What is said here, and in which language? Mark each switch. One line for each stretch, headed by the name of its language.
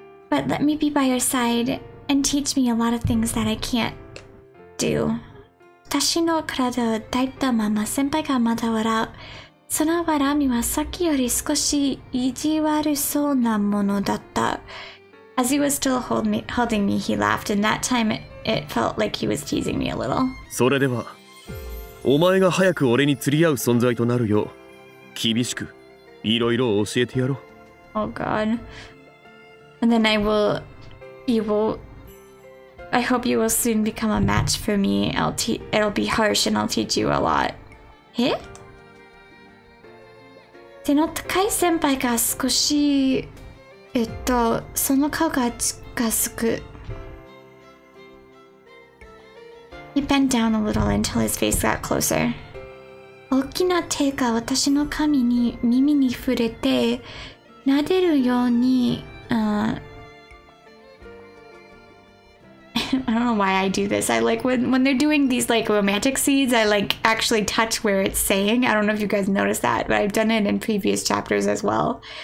English: But let me be by your side and teach me a lot of things that I can't do.
Japanese: 私の体を抱いたまま先輩がまだ笑う。その笑みはさっきより少し意地悪そうなものだった。
English: As he was still holding me, he laughed, and that time it felt like he was teasing me a little.
Japanese: それでは、お前が早く俺に釣り合う存在となるよう、厳しく、いろいろ教えてやろう。
English: Oh god. And then I hope you will soon become a match for me. It'll be harsh and I'll teach you a lot. え?
Japanese: 背の高い先輩が少し、その顔が近づく。
English: He bent down a little until his face got closer.
Japanese: 大きな手が私の髪に耳に触れて、撫でるように、
English: I don't know why I do this. I like when they're doing these like romantic scenes, I like actually touch where it's saying. I don't know if you guys noticed that, but I've done it in previous chapters as well.